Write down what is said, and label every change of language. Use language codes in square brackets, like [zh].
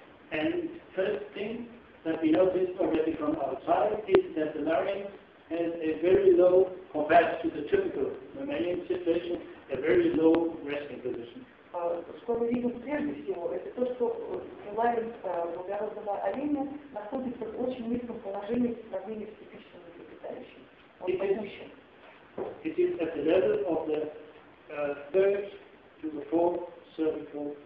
[en] And first thing that we noticed already from outside is that the larynx has a very low, compared to the typical mammalian situation, a very low resting position. [ru] Что мы видим прежде всего, это то, что ларинг благородного оленя находится в очень низком положении в сравнении с типичным млекопитающим. [en] It is at the level of the third to the fourth cervical